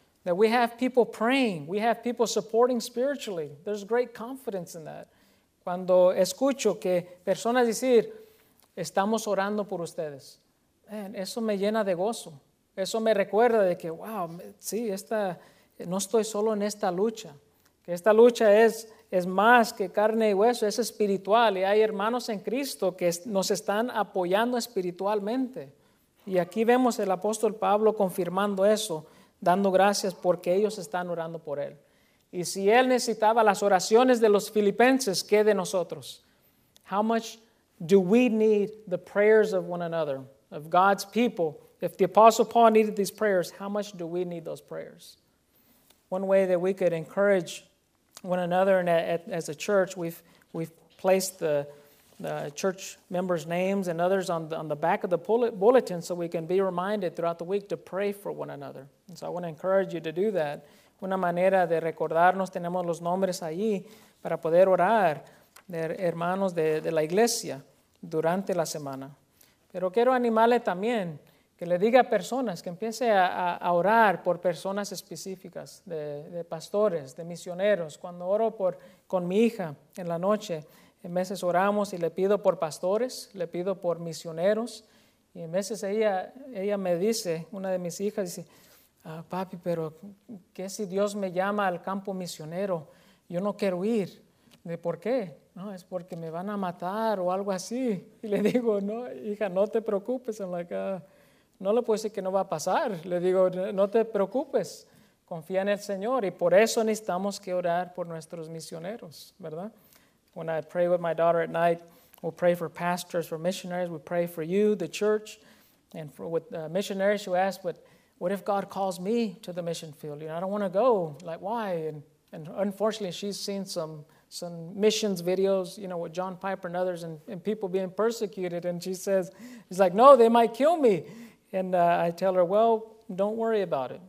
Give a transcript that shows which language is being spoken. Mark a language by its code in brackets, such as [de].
[en] That we have people praying, we have people supporting spiritually. There's great confidence in that. [es] Cuando escucho que personas decir, estamos orando por ustedes. Man, eso me llena de gozo. Eso me recuerda de que, wow, sí, no estoy solo en esta lucha. Que esta lucha es más que carne y hueso, es espiritual. Y hay hermanos en Cristo que nos están apoyando espiritualmente. Y aquí vemos el apóstol Pablo confirmando eso, dando gracias porque ellos están orando por él. Y si él necesitaba las oraciones de los filipenses, ¿qué de nosotros? [en] How much do we need the prayers of one another, of God's people? If the Apostle Paul needed these prayers, how much do we need those prayers? One way that we could encourage one another as a church, we've placed the church members' names and others on the back of the bulletin so we can be reminded throughout the week to pray for one another. And so I want to encourage you to do that. [es] Una manera de recordarnos, tenemos los nombres allí para poder orar de hermanos de la iglesia durante la semana. Pero quiero animarle también que le diga a personas, que empiece a orar por personas específicas, de pastores, de misioneros. Cuando oro con mi hija en la noche, en veces oramos y le pido por pastores, le pido por misioneros. Y en veces ella me dice, una de mis hijas dice, ah, papi, pero ¿qué si Dios me llama al campo misionero? Yo no quiero ir. ¿De por qué? No, es porque me van a matar o algo así. Y le digo, no, hija, no te preocupes. [en] I'm like, [es] no le puedo decir que no va a pasar. Le digo, no te preocupes. Confía en el Señor. Y por eso necesitamos que orar por nuestros misioneros, ¿verdad? [en] When I pray with my daughter at night, we'll pray for pastors, for missionaries. We pray for you, the church. And for with missionaries, she'll ask, but what if God calls me to the mission field? You know, I don't want to go. Like, why? And unfortunately, she's seen some missions videos, you know, with John Piper and others and people being persecuted. And she says, he's like, no, they might kill me. And I tell her, well, don't worry about it.